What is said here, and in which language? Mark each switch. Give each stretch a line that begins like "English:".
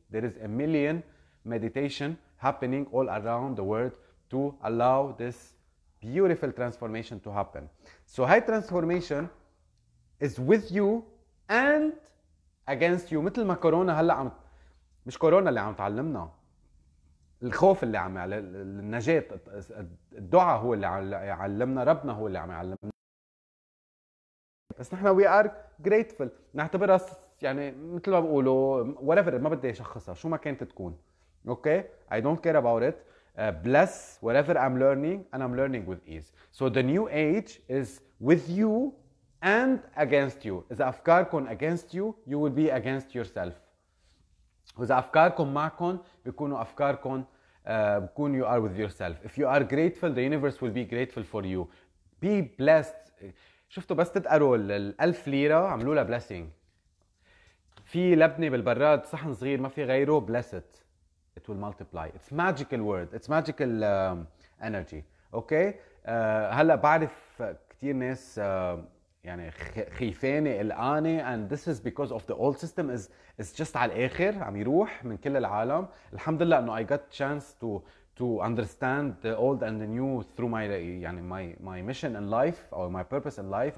English: There is a million meditation happening all around the world to allow this beautiful transformation to happen. So high transformation is with you and against you.
Arabic: مثل ما كورونا هلا عم مش كورونا اللي عم تعلمنا الخوف اللي عم النجاة الدعاء هو اللي عم يعلمنا ربنا هو اللي عم يعلمنا بس نحن
English: we are grateful
Arabic: نعتبرها يعني مثل ما بقولوا whatever ما بدي اشخصها شو ما كانت تكون.
English: Okay I don't care about it. Bless whatever I'm learning and I'm learning with ease. So the new age is with you and against you.
Arabic: إذا أفكاركم
English: against you, you will be against yourself.
Arabic: وإذا أفكاركم معكم, بيكونوا أفكاركم بيكون
English: you are with yourself. If you are grateful, the universe will be grateful for you. Be blessed.
Arabic: شفتوا بس تتقروا الألف ليرة عملوا لها blessing. في لبنة بالبراد صحن صغير ما في غيره
English: bless it. It will multiply. It's magical word. It's magical energy. Okay?
Arabic: هلأ بعرف كتير ناس يعني خيفاني الآني
English: and this is because of the old system is just
Arabic: على الآخر عم يروح من كل العالم. الحمد لله أنه
English: I got chance to understand the old and the new through my
Arabic: يعني
English: my mission in life or my purpose in life.